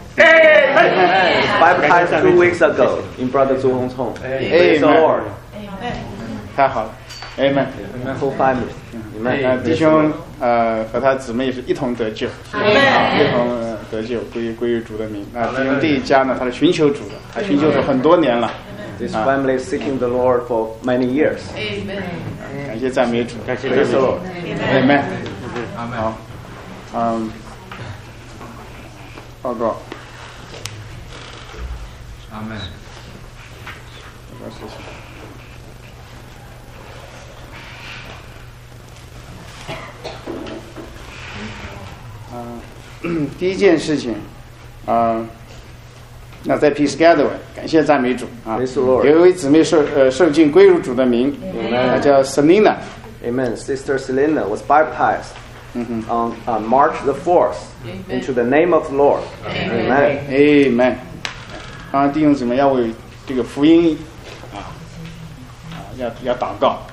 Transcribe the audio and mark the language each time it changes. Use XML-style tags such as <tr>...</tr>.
<en>Baptized two weeks ago in Brother Zhu Hong's home. Praise the Lord.</en> <zh>太好了。</zh> <en>Amen. Whole family. Amen.</en> <zh>弟兄和他姊妹是一同得救。</zh> <en>Amen.</en> <zh>一同得救，归于主的名。那弟兄弟家呢？他是寻求主的，他寻求主很多年了。</zh> <en>This family is seeking the Lord for many years. Amen.</en> <zh>感谢赞美主，感谢赞美主。</zh> <en>Amen. Amen.</en> <zh>好，报告。</zh> <en>Amen.</en> <zh>没关系。第一件事情，那在 Peace Gathering 感谢赞美主啊，有一位姊妹受浸归入主的名，她叫 Selena。</zh> <en>Amen. Sister Selena was baptized on March the 4th into the name of Lord. Amen. Amen.</en> <zh>刚刚弟兄姊妹要为这个福音要祷告。</zh>